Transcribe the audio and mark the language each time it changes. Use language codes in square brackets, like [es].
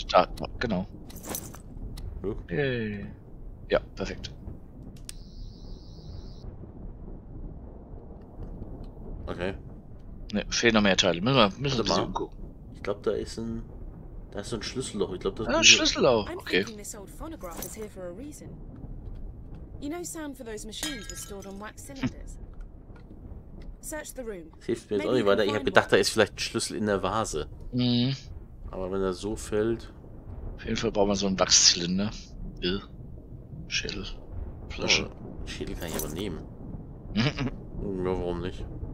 [de] Da. Genau. Ja. Ja, perfekt. Okay. Ne, fehlen noch mehr Teile. Müssen wir mal gucken. Ich glaube, da ist so ein Schlüsselloch. Ich glaube, das ist ein Schlüsselloch. Okay. [en] I'm thinking this old phonograph is here for a reason. You know, sound for those machines was stored on wax cylinders. Search the room. [de] Hilft mir jetzt auch nicht weiter. Ich habe gedacht, da ist vielleicht ein Schlüssel in der Vase. Mhm. Aber wenn er so fällt. Auf jeden Fall brauchen wir so einen Wachszylinder. Schädel. Flasche. Oh, Schädel kann ich aber nehmen. Ja, warum nicht?